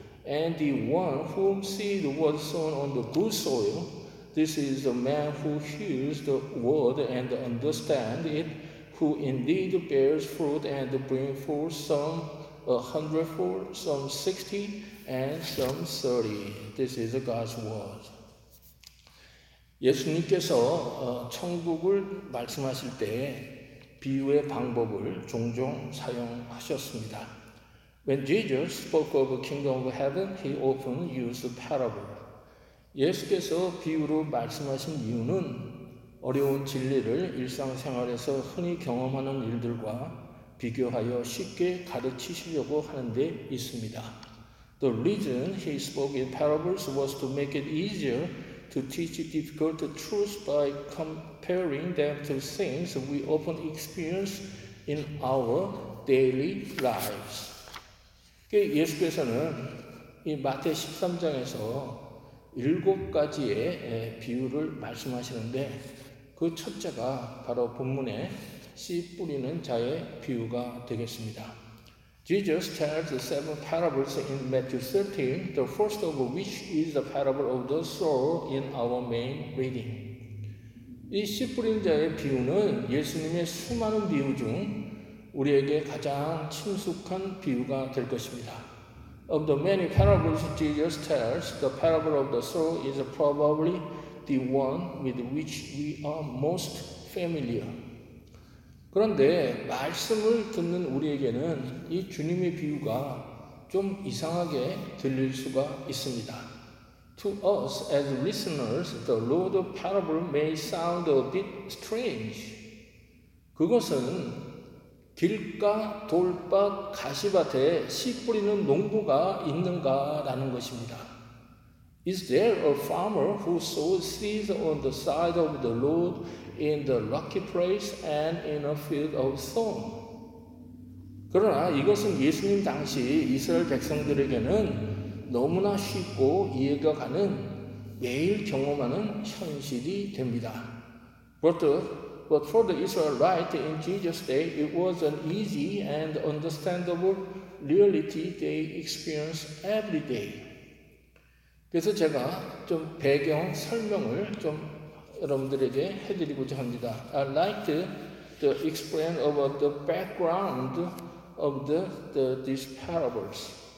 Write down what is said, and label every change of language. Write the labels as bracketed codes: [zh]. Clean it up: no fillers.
[en] And the one whom seed was sown on the good soil, this is the man who hears the word and understands it, who indeed bears fruit and brings forth some a hundredfold, some 60, and some 30. This is God's word. [ko] 예수님께서 천국을 말씀하실 때 비유의 방법을 종종 사용하셨습니다. [en] When Jesus spoke of the kingdom of heaven, he often used a parable. [ko] 예수께서 비유로 말씀하신 이유는 어려운 진리를 일상생활에서 흔히 경험하는 일들과 비교하여 쉽게 가르치시려고 하는 데 있습니다. [en] The reason he spoke in parables was to make it easier to teach difficult truths by comparing them to things we often experience in our daily lives. [ko] 예수께서는 이 마태 13장에서 일곱 가지의 비유를 말씀하시는데 그 첫째가 바로 본문의 씨 뿌리는 자의 비유가 되겠습니다. [en] Jesus tells the seven parables in Matthew 13, the first of which is the parable of the sower in our main reading. [ko] 이 씨 뿌린 자의 비유는 예수님의 수많은 비유 중 우리에게 가장 친숙한 비유가 될 것입니다. [en] Of the many parables Jesus tells, the parable of the sower is probably the one with which we are most familiar. [ko] 그런데 말씀을 듣는 우리에게는 이 주님의 비유가 좀 이상하게 들릴 수가 있습니다. [en] To us as listeners, the Lord of parable may sound a bit strange. [ko] 그것은 길가 돌밭 가시밭에 씨 뿌리는 농부가 있는가라는 것입니다. [en] Is there a farmer who sows seeds on the side of the road in the rocky place and in a field of thorn? [ko] 그러나 이것은 예수님 당시 이스라엘 백성들에게는 너무나 쉽고 이해가 가는 매일 경험하는 현실이 됩니다. [en] But for the Israelite in Jesus' day, it was an easy and understandable reality they experienced every day. [ko] 그래서 제가 좀 배경 설명을 좀 여러분들에게 해드리고자 합니다. [en] I'd like to explain about the background of these parables.